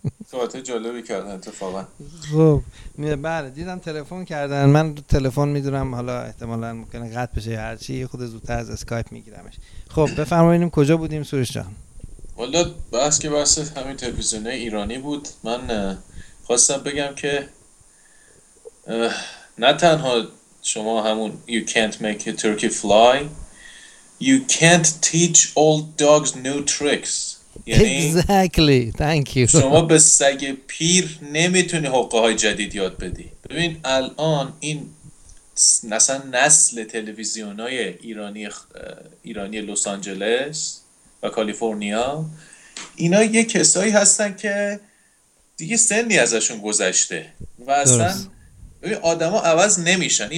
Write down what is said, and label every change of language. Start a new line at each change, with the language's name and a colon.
Persian: تو حتی جالبی کردن اتفاقا. خب بله دیدم تلفن کردن، من تلفن میدونم، حالا احتمالا ممکنه قطع بشه یا هرچی، خود زودتر از اسکایپ میگیرمش. خب بفرماییم کجا بودیم سروش جان؟ والا بس که بس همین تلویزیون ایرانی بود. من خواستم بگم که نه تنها شما همون
English: You can't make a turkey fly, you can't teach old dogs new tricks. Exactly. Thank you.
Persian: شما به سگ پیر نمیتونی حقه های جدید یاد بدی. ببین الان این مثلا نسل تلویزیون های ایرانی لس آنجلس و کالیفرنیا، اینا یه کسایی هستن که دیگه سنی ازشون گذشته و اصلا ببین آدم ها عوض نمیشن.